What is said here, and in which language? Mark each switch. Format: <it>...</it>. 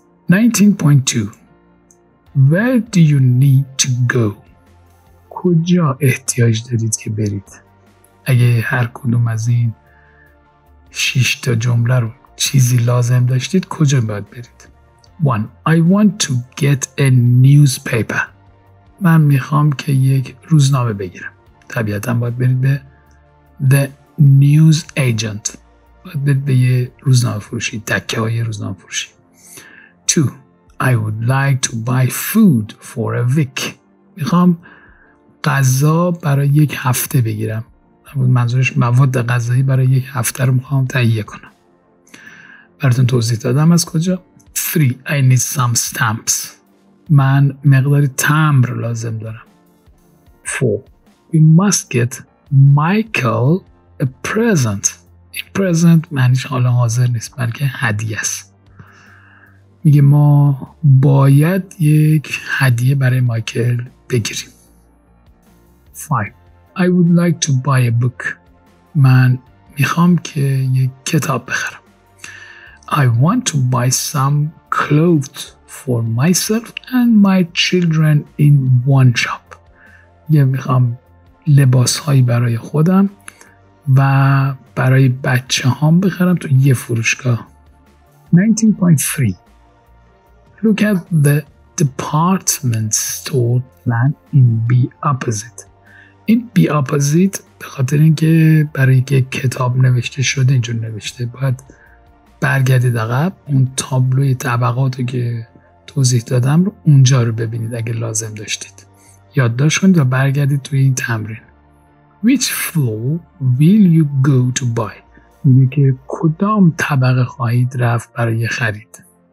<fa>19.2</fa> <en>Where do you need to go؟</en> <fa>کجا احتیاج دارید که برید؟ اگه هر کدوم از این 6 تا جمله رو چیزی لازم داشتید کجا باید برید؟ 1</fa> <en>I want to get a newspaper.</en> <fa>من میخوام که یک روزنامه بگیرم. طبیعتاً باید برید به The News Agent. باید برید به یه روزنامه فروشی. دکه های روزنامه فروشی. 2.</fa> <en>I would like to buy food for a week.</en> <fa>میخوام غذا برای یک هفته بگیرم. منظورش مواد غذایی برای یک هفته رو میخوام تهیه کنم. براتون توضیح دادم از کجا.</fa> <en>3. I need some stamps.</en> <fa>من مقداری تمبر لازم دارم.</fa> <en>4. We must get Michael a present.</en> <fa>این present معنیش حالا حاضر نیست بلکه هدیه است. میگه ما باید یک هدیه برای مایکل بگیریم.</fa> <en>5. I would like to buy a book.</en> <fa>من میخوام که یک کتاب بخرم.</fa> <en>I want to buy some clothes for myself and my children in one shop.</en> <fa>یه میخوام لباس هایی برای خودم و برای بچه هام بخرم تو یه فروشگاه.</fa> <en>19.3 Look at the department store plan in B opposite.</en> <fa>این B opposite به خاطر اینکه برای یک کتاب نوشته شده اینجور نوشته. باید برگردید عقب اون تابلوی طبقاتو که توضیح دادم رو اونجا رو ببینید اگه لازم داشتید. یادداشت کنید و برگردید توی این تمرین.</fa> <en>Which floor will you go to buy؟</en> <fa>میگه که کدام طبقه خواهید رفت برای خرید.</fa>